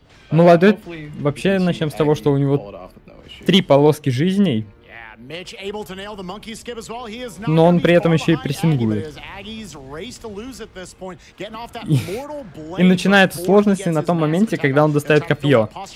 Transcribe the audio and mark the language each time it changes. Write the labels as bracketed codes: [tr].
[ru] Молодой, вообще, начнем с того, что у него три полоски жизней. [en] Mitch able to nail the monkey skip as well. He is not. [ru] Но он при этом еще и прессингует. И начинается сложности на том моменте, когда он достает копье.